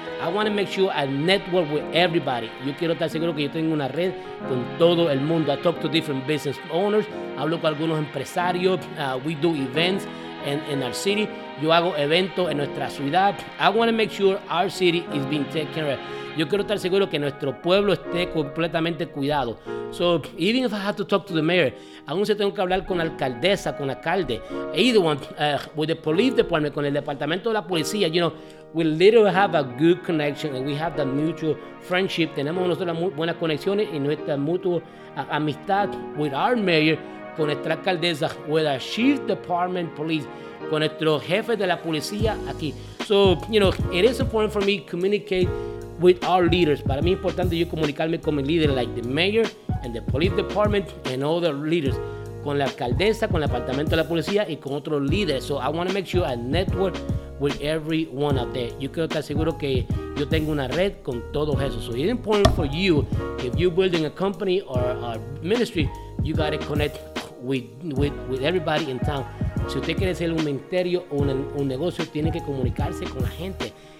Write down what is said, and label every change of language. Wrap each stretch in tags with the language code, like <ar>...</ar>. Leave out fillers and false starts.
<en>I want to make sure I network with everybody.</en> <es>Yo quiero estar seguro que yo tengo una red con todo el mundo.</es> <en>I talk to different business owners,</en> <es>hablo con algunos empresarios,</es> <en>we do events in our city.</en> <es>Yo hago eventos en nuestra ciudad.</es> <en>I want to make sure our city is being taken care of.</en> <es>Yo quiero estar seguro que nuestro pueblo esté completamente cuidado.</es> <en>So, even if I have to talk to the mayor,</en> <es>aún se tengo que hablar con la alcaldesa, con alcalde,</es> <en>either one, with the police department,</en> <es>con el departamento de la policía,</es> <en>you know, we literally have a good connection and we have that mutual friendship.</en> <es>Tenemos nosotros buenas conexiones y nuestra mutua amistad</es> <en>with our mayor,</en> <es>con nuestra alcaldesa,</es> <en>with our chief department police,</en> <es>con nuestro jefe de la policía aquí.</es> <en>So, you know, it is important for me to communicate with our leaders.</en> <es>Para mí es importante yo comunicarme con mi líder,</es> <en>like the mayor and the police department and other leaders,</en> <es>con la alcaldesa, con el departamento de la policía y con otros líderes.</es> <en>So I want to make sure I network with everyone out there.</en> <es>Yo quiero estar seguro que yo tengo una red con todos esos.</es> <en>So it's important for you, if you're building a company or a ministry, you got to connect with everybody in town.</en> <es>Si usted quiere hacer un ministerio o un negocio, tiene que comunicarse con la gente.</es>